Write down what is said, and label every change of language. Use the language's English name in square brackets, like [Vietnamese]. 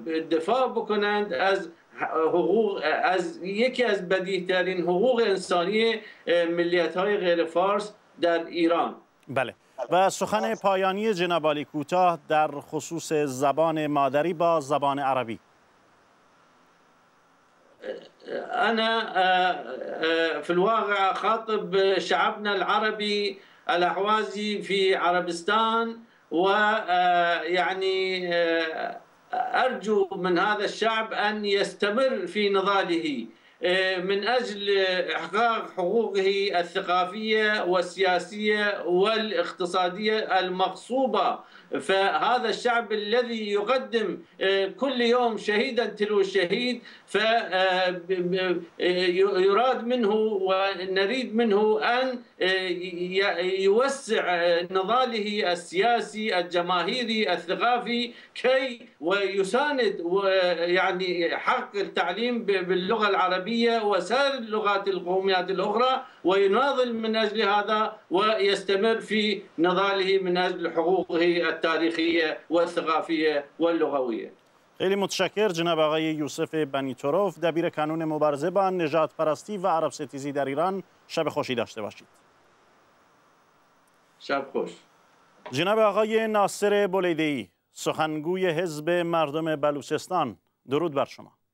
[Persian] دفاع بکنند از حقوق، از یکی از بدیهی‌ترین حقوق انسانی ملیت‌های غیر فارس در ایران. بله، و سخن پایانی جناب عالی کوتاه در خصوص زبان مادری با زبان عربی. [Arabic] انا في الواقع خاطب شعبنا العربي الاحوازي في عربستان، ويعني أرجو من هذا الشعب أن يستمر في نضاله من أجل إحقاق حقوقه الثقافية والسياسية والاقتصادية المغصوبة فهذا الشعب الذي يقدم كل يوم شهيدا تلو الشهيد، فيراد منه ونريد منه أن يوسع نضاله السياسي الجماهيري الثقافي كي ويساند يعني حق التعليم باللغة العربية وسائر اللغات القوميات الأخرى، ويناضل من أجل هذا ويستمر في نضاله من أجل حقوقه التاريخية والثقافية واللغوية. [Persian] خیلی متشکر جناب آقای یوسف بنی‌تروف، دبیر کانون مبارزه با نژادپرستی و عرب ستیزی در ایران. شب خوشی داشته باشید. شب خوش. جناب آقای ناصر بولیدی، سخنگوی حزب مردم بلوچستان، درود بر شما.